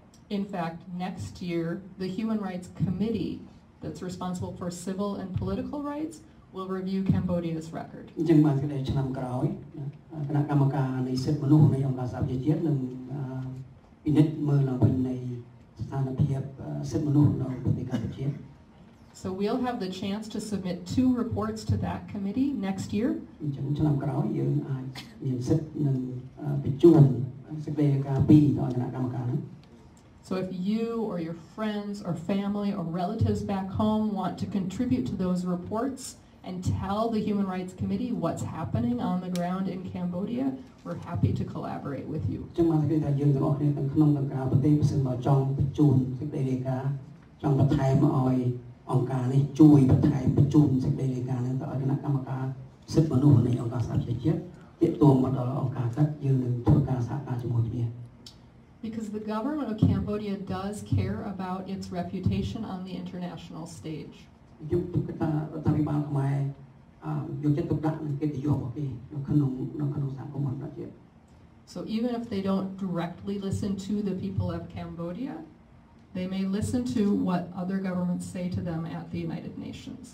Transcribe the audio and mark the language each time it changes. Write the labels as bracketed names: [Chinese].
[English] In fact, next year, the Human Rights Committee that's responsible for civil and political rights will review Cambodia's record. [Khmer] ជាងមកទីឆ្នាំក្រោយគណៈកម្មការនៃសិទ្ធិមនុស្សនៃអង្គការសហប្រជាជាតិនឹងពិនិត្យមើលឡើងវិញនៃស្ថានភាពសិទ្ធិមនុស្សនៅប្រទេសកម្ពុជា. [English] So we'll have the chance to submit two reports to that committee next year. [Khmer] ជាងឆ្នាំក្រោយយើងអាចមានសិទ្ធិនឹងបញ្ជូនសេចក្តីរាយការណ៍ពីរដល់គណៈកម្មការនោះ. [English] So if you or your friends or family or relatives back home want to contribute to those reports and tell the Human Rights Committee what's happening on the ground in Cambodia, we're happy to collaborate with you. [Khmer] ជំរុញឲ្យយើងទាំងអស់គ្នាទាំងក្នុងនិងក្រៅប្រទេសមកចង់បញ្ជូនសេចក្តីរាយការណ៍ចង់បន្ថែមមកឲ្យអង្គការនេះជួយបន្ថែមបញ្ជូនសេចក្តីរាយការណ៍នេះទៅឲ្យគណៈកម្មការសិទ្ធិមនុស្សនៃអង្គការសហជីវជាតិទទួលមកដល់អង្គការទឹកយើងនឹងធ្វើការសហការជាមួយគ្នា [English] Because the government of Cambodia does care about its reputation on the international stage. So even if they don't directly listen to the people of Cambodia, they may listen to what other governments say to them at the United Nations.